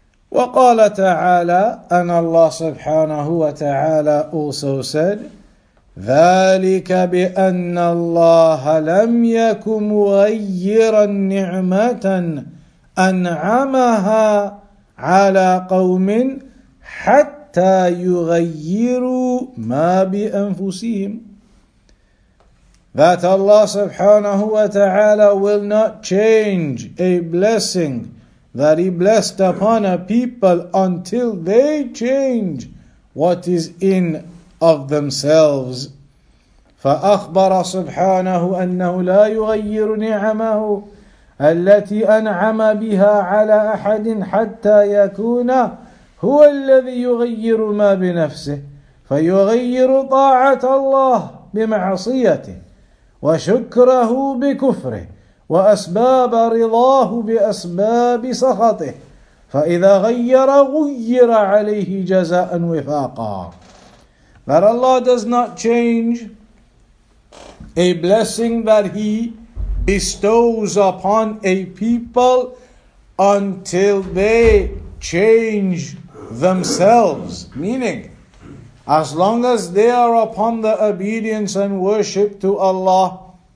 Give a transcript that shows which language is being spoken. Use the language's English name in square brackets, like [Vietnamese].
[Arabic] وَقَالَ تَعَالَى. [English] And Allah subhanahu wa ta'ala also said, [Arabic] ذَلِكَ بِأَنَّ اللَّهَ لَمْ يَكُمْ غَيِّرًا نِعْمَةً أَنْعَمَهَا عَلَىٰ قَوْمٍ حَتَّى يُغَيِّرُوا مَا بِأَنفُسِهِمْ. [English] That Allah subhanahu wa ta'ala will not change a blessing that He blessed upon a people until they change what is in of themselves. [Arabic] فَأَخْبَرَ سُبْحَانَهُ أَنَّهُ لَا يُغَيِّرُ نِعَمَهُ التي أنعم بها على أحد حتى يكون هو الذي يغير ما بنفسه فيغير طاعة الله بمعصيته وشكره بكفره وأسباب رضاه بأسباب سخطه فإذا غير غير عليه جزاء وفاقا. [English] That Allah does not change a blessing that He bestows upon a people until they change themselves. Meaning, as long as they are upon the obedience and worship to Allah,